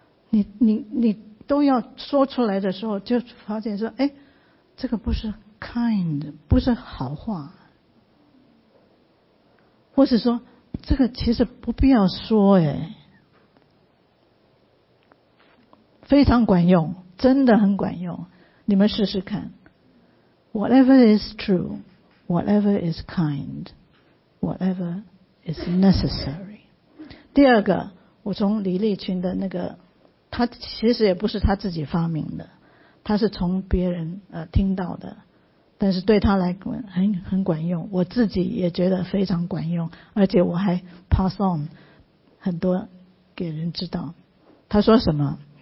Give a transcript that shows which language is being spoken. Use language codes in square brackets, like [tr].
[zh] 你都要说出来的时候，就发现说，哎，这个不是 kind， 不是好话，或是说这个其实不必要说，哎，非常管用，真的很管用，你们试试看。 [en] Whatever is true, whatever is kind, whatever is necessary. [zh] 第二个，我从李立群的那个，他其实也不是他自己发明的，他是从别人听到的，但是对他来讲很管用，我自己也觉得非常管用，而且我还 [en] pass on [zh] 很多给人知道。他说什么？